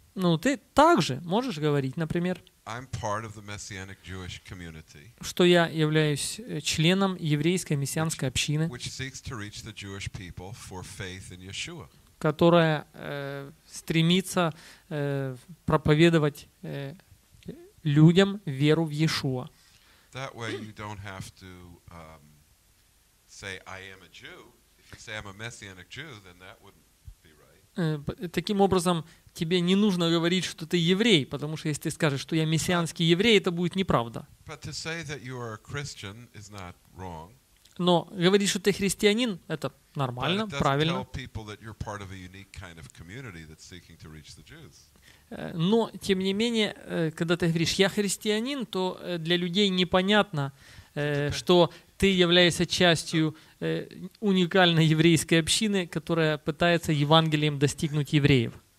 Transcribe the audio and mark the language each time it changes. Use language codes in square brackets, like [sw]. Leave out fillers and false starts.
[ru] ну, ты также можешь говорить, например, [en] I'm part of the Messianic Jewish community, [ru] что я являюсь членом еврейской мессианской общины, [en] which seeks to reach the Jewish people for faith in Yeshua. [ru] Которая стремится проповедовать людям веру в Иешуа. [en] That way you don't have to say I am a Jew. If you say I'm a Messianic Jew, then that wouldn't be right. [ru] Таким образом, тебе не нужно говорить, что ты еврей, потому что если ты скажешь, что я мессианский еврей, это будет неправда. [en] But to say that you are a Christian is not wrong. [ru] Но говорить, что ты христианин, это нормально, правильно. [en] But it doesn't tell people that you're part of a unique kind of community that's seeking to reach the Jews. [ru] Но, тем не менее, когда ты говоришь «я христианин», то для людей непонятно, что ты являешься частью уникальной еврейской общины, которая пытается Евангелием достигнуть евреев.